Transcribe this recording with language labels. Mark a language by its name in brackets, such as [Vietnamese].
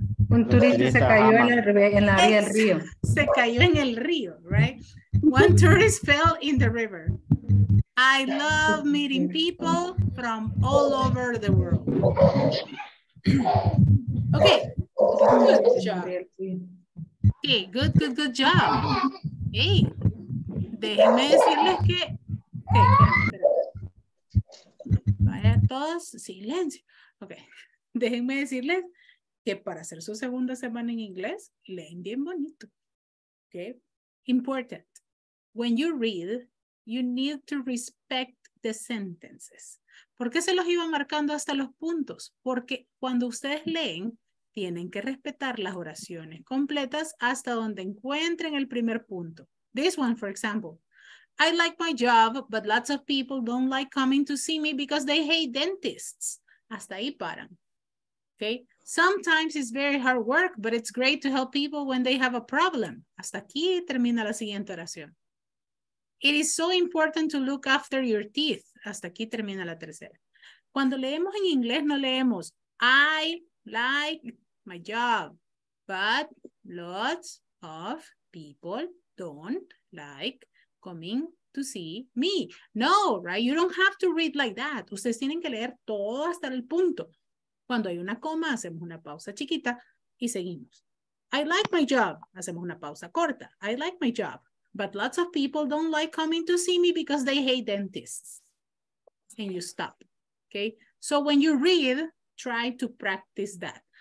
[Spanish] Un turista se cayó en la vía del río. Se cayó en el río, [English] right? One tourist fell in the river. I love meeting people from all over the world. Okay. Good job. Okay, good, good, good job. [Spanish] Hey, déjenme decirles que... Vaya todos, silencio. Okay, déjenme decirles que para hacer su segunda semana en inglés, leen bien bonito. [English] Okay, important. When you read, you need to respect the sentences. [Spanish] ¿Por qué se los iba marcando hasta los puntos? Porque cuando ustedes leen, tienen que respetar las oraciones completas hasta donde encuentren el primer punto. [English] This one, for example. I like my job, but lots of people don't like coming to see me because they hate dentists. [Spanish] Hasta ahí paran. [English] Okay? Sometimes it's very hard work, but it's great to help people when they have a problem. [Spanish] Hasta aquí termina la siguiente oración. [English] It is so important to look after your teeth. [Spanish] Hasta aquí termina la tercera. Cuando leemos en inglés, no leemos [English] I like my job, but lots of people don't like coming to see me. [Spanish] No, right? [English] You don't have to read like that. [Spanish] Ustedes tienen que leer todo hasta el punto. Cuando hay una coma, hacemos una pausa chiquita y seguimos. [English] I like my job. [Spanish] Hacemos una pausa corta. [English] I like my job, but lots of people don't like coming to see me because they hate dentists. And you stop. Okay? So when you read, try to practice that.